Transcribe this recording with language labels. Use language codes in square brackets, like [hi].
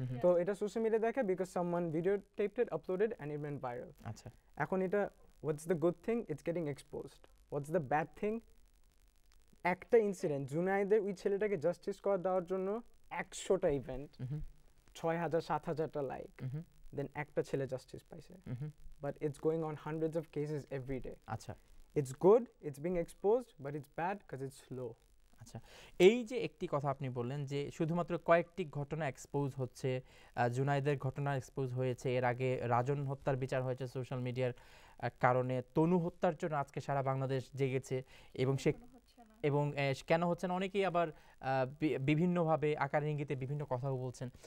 [en] তো এটা social media দেখে, because someone video taped it, uploaded, and it went viral. [bn] আচ্ছা, এখন এটা [en] What's the good thing, it's getting exposed. What's the bad thing, [bn] একটা incident, জুনাইদের ওই ছেলেটাকে জাস্টিস করা দেওয়ার জন্য 100টা ইভেন্ট, 6,000-7,000টা লাইক, then একটা ছেলে জাস্টিস পাইছে। [en] But it's going on hundreds of cases every day. [bn] আচ্ছা, [en] it's good, it's being exposed, but it's bad because it's slow. [bn] আচ্ছা, এই যে একটি কথা আপনি বললেন যে শুধুমাত্র কয়েকটি ঘটনা এক্সপোজ হচ্ছে, জুনাইদের ঘটনা এক্সপোজ হয়েছে, এর আগে রাজন হত্যার বিচার হয়েছে সোশ্যাল মিডিয়ার কারণে, তনু হত্যার জন্য আজকে সারা বাংলাদেশ জেগেছে, এবং সে এবং কেন হচ্ছে না, অনেকেই আবার বিভিন্নভাবে আকার ইঙ্গিতে বিভিন্ন কথাও বলছেন।